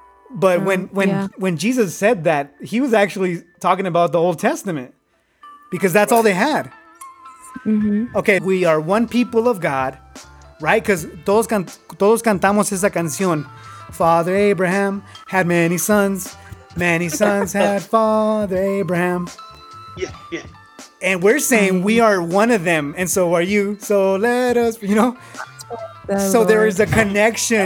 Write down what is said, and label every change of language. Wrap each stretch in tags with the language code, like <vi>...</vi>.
<en>But when Jesus said that, he was actually talking about the Old Testament, because that's all they had. Mm-hmm. Okay, we are one people of God, right? Because</en> <es>todos cantamos esa canción.</es> <en>Father Abraham had many sons. Many sons had Father Abraham. Yeah. And we're saying we are one of them, and so are you. So let us, you know. So there is a connection.</en>